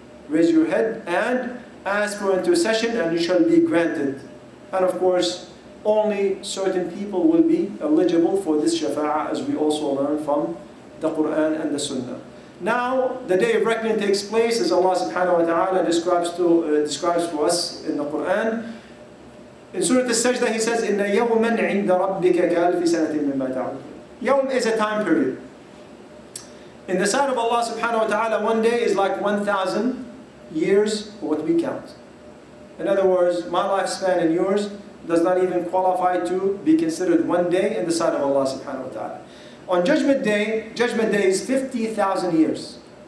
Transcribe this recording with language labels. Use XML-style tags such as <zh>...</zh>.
<en>Raise your head and ask for intercession and you shall be granted. And of course, only certain people will be eligible for this shafa'ah, as we also learn from the Quran and the Sunnah. Now, the day of reckoning takes place, as Allah subhanahu wa ta'ala describes for us in the Quran. In Surah Al-Sajdah, he says,</en> <ar>إِنَّ يَوْمًا عِنْدَ رَبِّكَ كَأَلْفِ سَنَةٍ مِمَّا تَعُدُّونَ.</ar> <en>Yawm is a time period. In the sight of Allah subhanahu wa ta'ala, one day is like 1,000 years for what we count. In other words, my lifespan and yours does not even qualify to be considered one day in the sight of Allah subhanahu wa ta'ala. On Judgment Day is 50,000 years.</en>